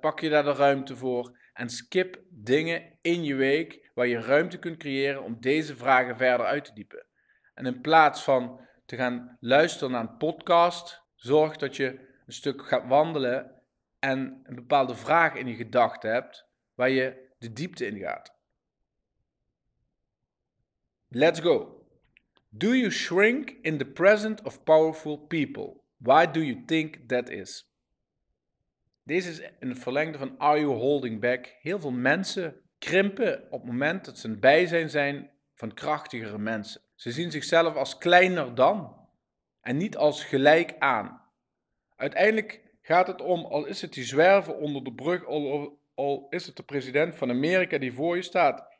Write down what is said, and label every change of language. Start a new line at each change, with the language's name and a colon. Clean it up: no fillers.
Dutch: Pak je daar de ruimte voor. En skip dingen in je week waar je ruimte kunt creëren om deze vragen verder uit te diepen. En in plaats van te gaan luisteren naar een podcast, zorg dat je een stuk gaat wandelen en een bepaalde vraag in je gedachten hebt waar je de diepte in gaat.
English: Let's go. Do you shrink in the presence of powerful people? Why do you think that is?
Dutch: Deze is een verlengde van Are You Holding Back? Heel veel mensen krimpen op het moment dat ze een bijzijn zijn van krachtigere mensen. Ze zien zichzelf als kleiner dan en niet als gelijk aan. Uiteindelijk gaat het om, al is het die zwerver onder de brug, al is het de president van Amerika die voor je staat.